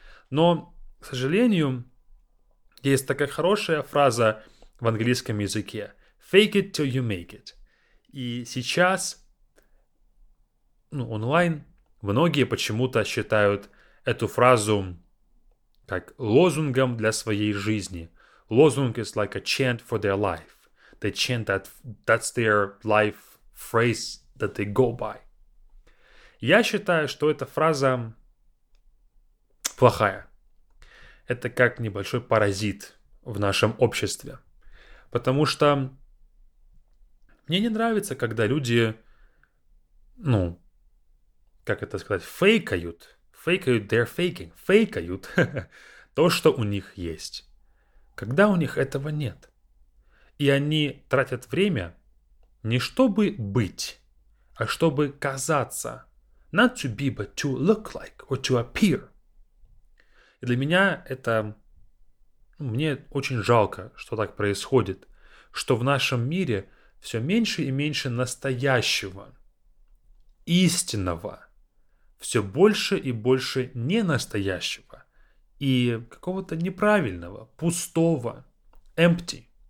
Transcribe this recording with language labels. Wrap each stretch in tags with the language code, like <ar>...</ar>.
<ru>Но, к сожалению, есть такая хорошая фраза в английском языке:</ru> <en>fake it till you make it.</en> <ru>И сейчас, онлайн многие почему-то считают эту фразу как лозунгом для своей жизни.</ru> <en>Лозунг is like a chant for their life. They chant that that's their life phrase that they go by.</en> <ru>Я считаю, что эта фраза плохая. Это как небольшой паразит в нашем обществе. Потому что мне не нравится, когда люди, фейкают.</ru> <en>Фейкают, they're faking.</en> <ru>Фейкают то, что у них есть. Когда у них этого нет. И они тратят время не чтобы быть, а чтобы казаться.</ru> <en>Not to be, but to look like or to appear.</en> <ru>И для меня это... Мне очень жалко, что так происходит. Что в нашем мире все меньше и меньше настоящего, истинного. Все больше и больше ненастоящего. И какого-то неправильного, пустого, empty.</ru>